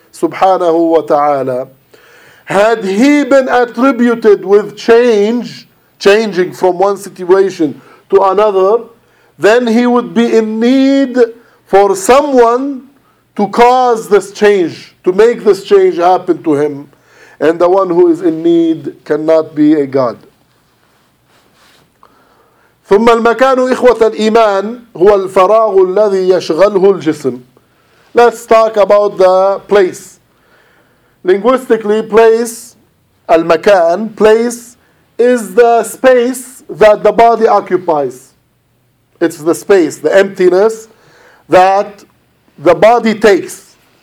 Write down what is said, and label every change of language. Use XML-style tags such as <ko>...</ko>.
<en>Subhanahu wa ta'ala. Had He been attributed with change, changing from one situation to another, then He would be in need for someone to cause this change, to make this change happen to Him. And the one who is in need cannot be a God.</en> <ar>ثم المكان إخوة الإيمان هو الفراغ الذي يشغله الجسم.</ar> <en>Let's talk about the place. Linguistically, place, المكان, place, is the space that the body occupies. It's the space, the emptiness that the body takes.</en>